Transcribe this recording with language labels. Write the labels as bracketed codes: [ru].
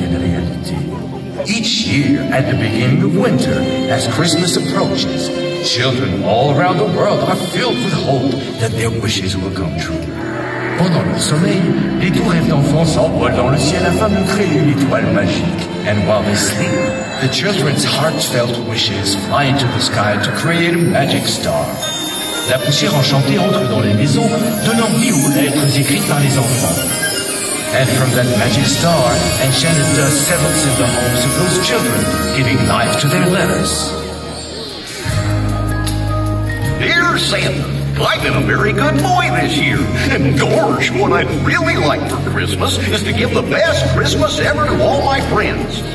[en] Each year, at the beginning of winter, as Christmas approaches, children all around the world are filled with hope that their wishes will come true. [fr] Pendant le sommeil, les doux rêves d'enfants s'envolent dans le ciel afin de créer une étoile magique. [en] And while they sleep, the children's heartfelt wishes fly into the sky to create a magic star. [fr] La poussière enchantée entre dans les maisons, donnant vie aux lettres écrites par les enfants. [en] And from that magic star, enchanted dust settles in the homes of those children, giving life to their letters. Dear Santa, I've been a very good boy this year. And gosh, what I'd really like for Christmas is to give the best Christmas ever to all my friends.